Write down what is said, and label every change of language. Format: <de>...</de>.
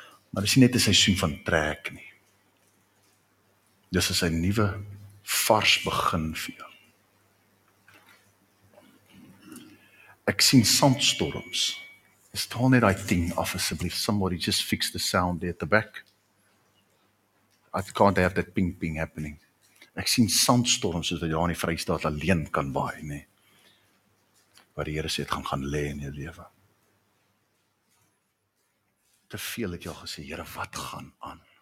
<af>Maar dit is net 'n seisoen van trek nie. Dis 'n nuwe vars begin vir jou. Ek sien sandstorms. Is daar net daai ding af asseblief?</af> <en>Somebody just fix the sound there at the back. I can't have that ping ping happening.</en> <af>Ek sien sandstorms soos wat daar in die Vrystaat alleen kan waai, nê. Waar die Here sê dit gaan lê in jou lewe. Te veel het jy al gesê, Here, wat gaan aan?</af>